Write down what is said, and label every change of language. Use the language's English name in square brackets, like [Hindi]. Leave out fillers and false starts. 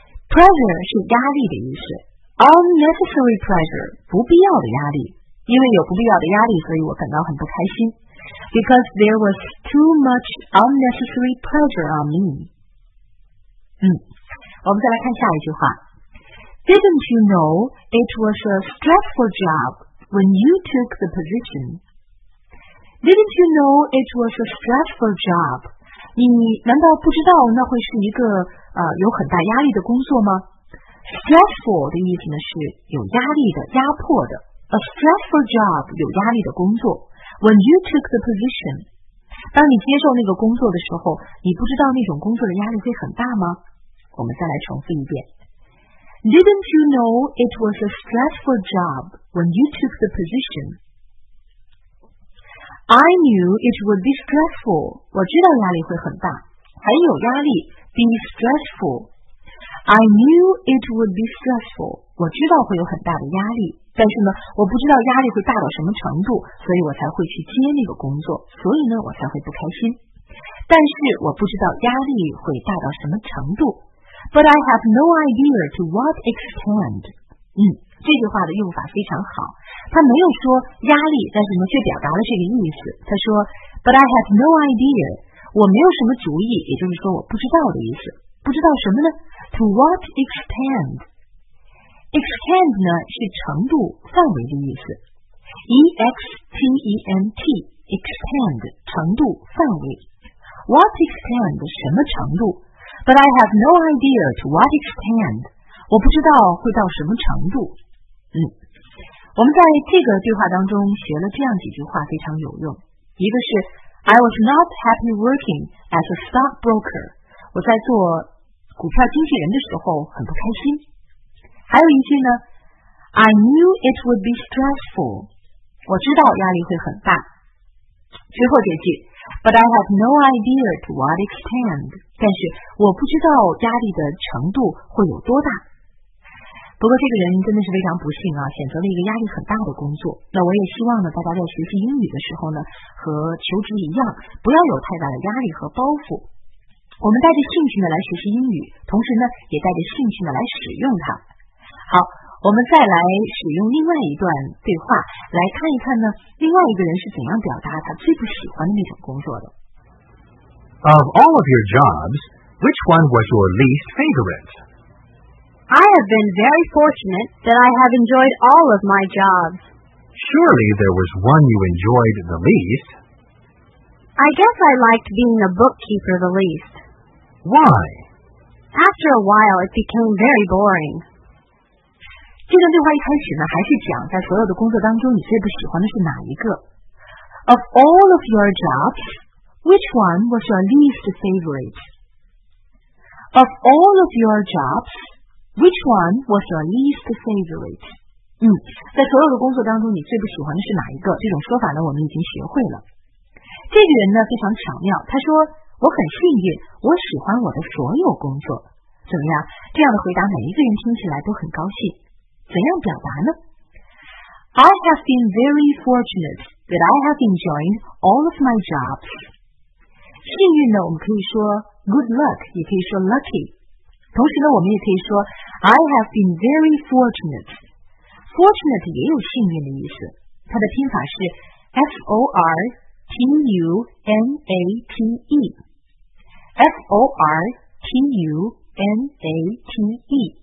[Chinese] Pressure 是压力的意思。 [English] Unnecessary pressure, [Chinese] 不必要的压力，因为有不必要的压力，所以我感到很不开心。 [English] Because there was too much unnecessary pressure on me. [Chinese] 我们再来看下一句话。 [English] Didn't you know it was a stressful job when you took the position? Didn't you know it was a stressful job? [Chinese] 你难道不知道那会是一个有很大压力的工作吗？ Stressful 的意思呢是有压力的、压迫的。 [English] A stressful job [Chinese] 有压力的工作。 [English] When you took the position, [Chinese] 当你接受那个工作的时候，你不知道那种工作的压力会很大吗？我们再来重复一遍。 [English] Didn't you know it was a stressful job when you took the position? I knew it would be stressful. [Chinese] 我知道压力会很大，很有压力。 [English] Be stressful. I knew it would be stressful. [Chinese] 我知道会有很大的压力，但是呢，我不知道压力会大到什么程度，所以我才会去接那个工作，所以呢，我才会不开心。但是我不知道压力会大到什么程度。 [English] But I have no idea to what extent. [Chinese] 这句话的用法非常好。他没有说压力，但是呢，却表达了这个意思。他说 [English] ，But I have no idea. [Chinese] 我没有什么主意，也就是说我不知道的意思。不知道什么呢？ [English] To what extent? [Chinese] Extend 呢是程度、范围的意思。 [English] E-X-T-E-N-T, extend, [Chinese] 程度、范围。 [English] What extent? [Chinese] 什么程度？ [English] But I have no idea to what extent. [Chinese] 我不知道会到什么程度。我们在这个对话当中学了这样几句话非常有用。一个是 [English] I was not happy working as a stockbroker. [Chinese] 我在做股票经纪人的时候很不开心。还有一句呢 [English] ，I knew it would be stressful. [Chinese] 我知道压力会很大。最后这句 [English] ，But I have no idea to what extent. [Chinese] 但是我不知道压力的程度会有多大。不过这个人真的是非常不幸啊，选择了一个压力很大的工作。那我也希望呢，大家在学习英语的时候呢，和求职一样，不要有太大的压力和包袱。我们带着兴趣呢来学习英语，同时呢也带着兴趣呢来使用它。好，我们再来使用另外一段对话，来看一看呢，另外一个人是怎样表达他最不喜欢的那种工作的。 [English] Of all of your jobs, which one was your least favorite? I have been very fortunate that I have enjoyed all of my jobs. Surely there was one you enjoyed the least. I guess I liked being a bookkeeper the least. Why? After a while, it became very boring. [Chinese] 这段对话一开始呢，还是讲在所有的工作当中，你最不喜欢的是哪一个 ？ [English] Of all of your jobs, which one was your least favorite? Of all of your jobs, which one was your least favorite? [Chinese] 在所有的工作当中，你最不喜欢的是哪一个？这种说法呢，我们已经学会了。这个人呢非常巧妙，他说：“我很幸运，我喜欢我的所有工作。” 怎么样？这样的回答，每一个人听起来都很高兴。怎样表达呢 [English] ？I have been very fortunate that I have enjoyed all of my jobs. [Chinese] 幸运呢，我们可以说 good luck， 也可以说 lucky。同时呢，我们也可以说 [English] I have been very fortunate。 [Chinese] Fortunate 也有幸运的意思，它的拼法是 f o r t u n a t e， f o r t u n a t e。